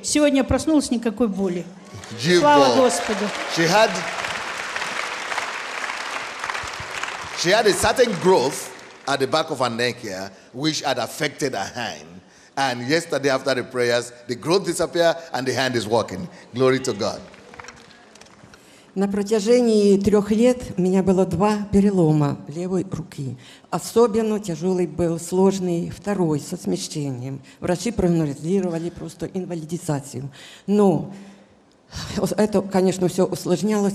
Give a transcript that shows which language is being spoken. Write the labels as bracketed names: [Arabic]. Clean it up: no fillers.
[Russian] Сегодня проснулась, никакой боли. Слава Господу. [English] She had a certain growth at the back of her neck here, which had affected her hand. And yesterday after the prayers, the growth disappeared and the hand is walking. Glory to God. [Russian] На протяжении трех лет у меня было два перелома левой руки. Особенно тяжелый был сложный второй со смещением. Врачи прогнозировали просто инвалидизацию. Но это, конечно, все усложнялось.